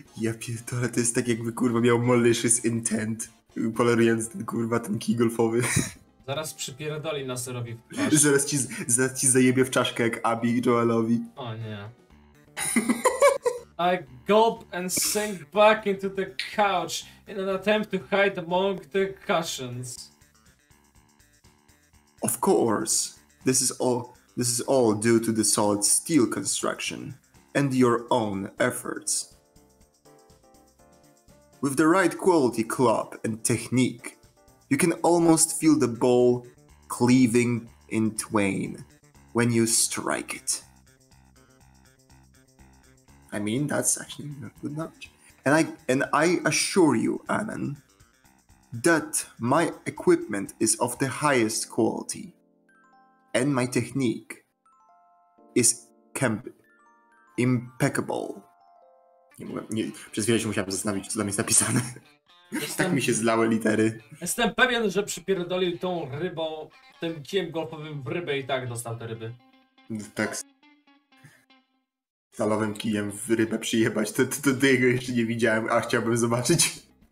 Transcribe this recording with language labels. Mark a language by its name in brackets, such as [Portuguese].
[Polish] Ja pierdolę, to jest tak jakby kurwa miał [English] malicious intent, [Polish] polerując ten kurwa ten kij golfowy. Zaraz przypierdoli na serowi w czaszkę. Zaraz ci zajebie w czaszkę jak Abby Joelowi. O nie. [English] I gulp and sink back into the couch in an attempt to hide among the cushions. Of course, this is all due to the solid steel construction and your own efforts. With the right quality club and technique, you can almost feel the ball cleaving in twain when you strike it. I mean, that's actually not good enough. And I assure you, Anon, that my equipment is of the highest quality and my technique is impeccable. [Polish] Nie, przez chwilę się musiałem zastanowić, co tam jest napisane. Tak mi się zlały litery. Jestem pewien, że przypierdolił tą rybą, tym kijem golfowym w rybę i tak dostał te ryby. Tak. Stalowym kijem w rybę przyjebać, to jego jeszcze nie widziałem, a chciałbym zobaczyć.